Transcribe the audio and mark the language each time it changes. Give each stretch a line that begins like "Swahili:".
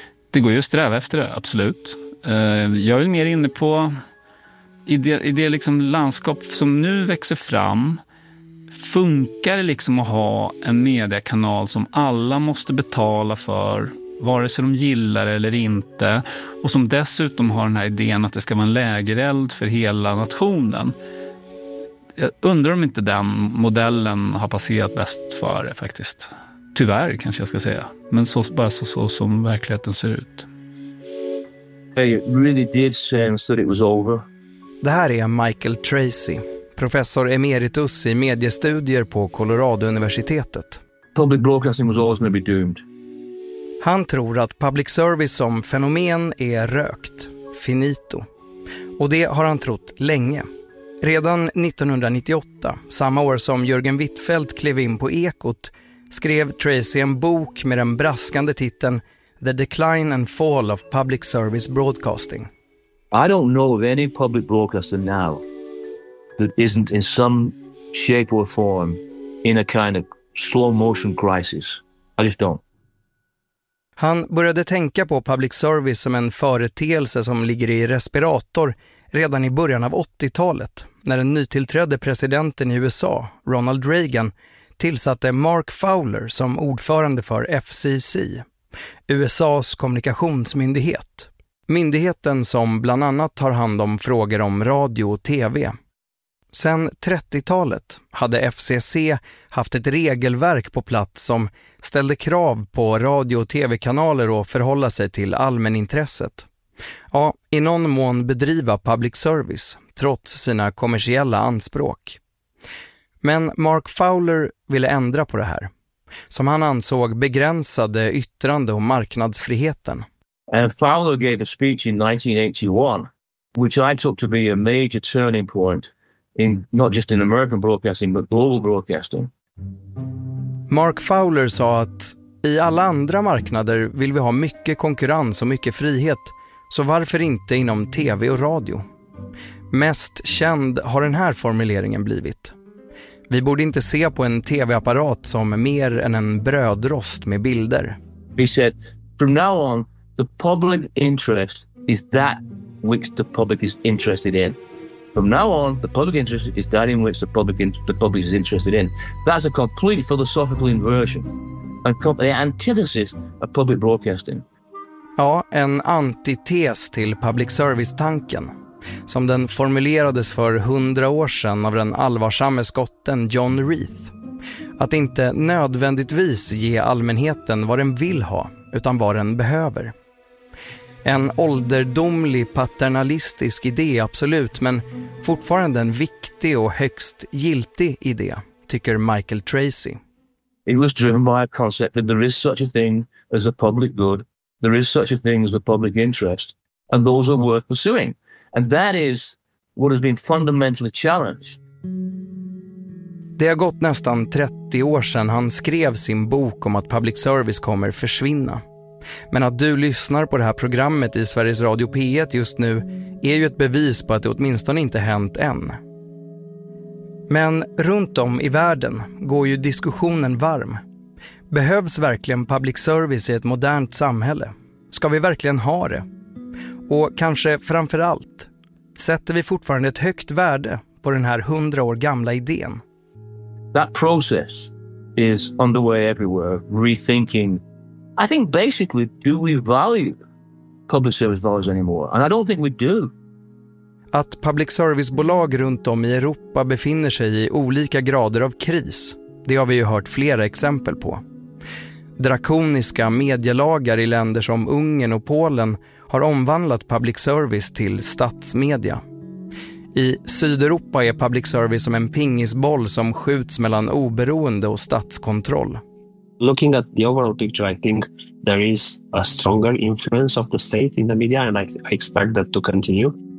Swedish: Det går ju att sträva efter det, absolut. Jag är mer inne på i det liksom landskap som nu växer fram, funkar det liksom att ha en mediekanal som alla måste betala för, vare sig de gillar eller inte, och som dessutom har den här idén att det ska vara en lägereld för hela nationen. Jag undrar om inte den modellen har passerat bäst för det, faktiskt. Tyvärr kanske jag ska säga, men så som verkligheten ser ut.
English: Hey, really did sense that it was over.
Swedish: Det här är Michael Tracy, professor emeritus i mediestudier på Colorado-universitetet.
English: Public broadcasting was always going to be doomed.
Swedish: Han tror att public service som fenomen är rökt, finito. Och det har han trott länge. Redan 1998, samma år som Jörgen Wittfeldt klev in på Ekot, skrev Tracy en bok med den braskande titeln
English: The Decline and Fall of Public Service Broadcasting. I don't know of any public broadcaster now that isn't in some shape or form in a kind of slow motion crisis. I just don't.
Swedish: Han började tänka på public service som en företeelse som ligger i respirator redan i början av 80-talet, när den nytillträdde presidenten i USA, Ronald Reagan, tillsatte Mark Fowler som ordförande för FCC, USAs kommunikationsmyndighet. Myndigheten som bland annat tar hand om frågor om radio och tv. Sen 30-talet hade FCC haft ett regelverk på plats som ställde krav på radio- och tv-kanaler att förhålla sig till allmänintresset. Ja, i någon mån bedriva public service, trots sina kommersiella anspråk. Men Mark Fowler ville ändra på det här, som han ansåg begränsade yttrande- och marknadsfriheten.
English: And Fowler gave a speech in 1981, which I took to be a major turning point in not just in American broadcasting, but global broadcasting.
Swedish: Mark Fowler sa att i alla andra marknader vill vi ha mycket konkurrens och mycket frihet, så varför inte inom tv och radio? Mest känd har den här formuleringen blivit. Vi borde inte se på en tv-apparat som mer än en brödrost med bilder.
English: He said, from now on, the public interest is that which the public is interested in. From now on, the public interest is that in which the public is interested in. That's a complete philosophical inversion and the antithesis of public broadcasting.
Swedish: Ja, en antites till public service-tanken, som den formulerades för 100 år sedan av den allvarsamme skotten John Reith. Att inte nödvändigtvis ge allmänheten vad den vill ha, utan vad den behöver. En ålderdomlig paternalistisk idé, absolut, men fortfarande en viktig och högst giltig idé, tycker Michael Tracy.
English: It was driven by a concept that there is such a thing as a public good, there is such a thing as a public interest, and those are worth pursuing. And that is what has been fundamentally challenged.
Swedish: Det har gått nästan 30 år sedan han skrev sin bok om att public service kommer försvinna. Men att du lyssnar på det här programmet i Sveriges Radio P1 just nu är ju ett bevis på att det åtminstone inte hänt än. Men runt om i världen går ju diskussionen varm. Behövs verkligen public service i ett modernt samhälle? Ska vi verkligen ha det? Och kanske framför allt, sätter vi fortfarande ett högt värde på den här 100 år gamla idén?
English: That process is underway everywhere, rethinking. I think basically, do we value public service values anymore? And I don't think we do.
Swedish: Att public service-bolag runt om i Europa befinner sig i olika grader av kris, det har vi ju hört flera exempel på. Drakoniska medielagar i länder som Ungern och Polen har omvandlat public service till statsmedia. I Sydeuropa är public service som en pingisboll som skjuts mellan oberoende och statskontroll.
English: Looking at the overall picture, I think there is a stronger influence of the state in the media, and I expect that to continue.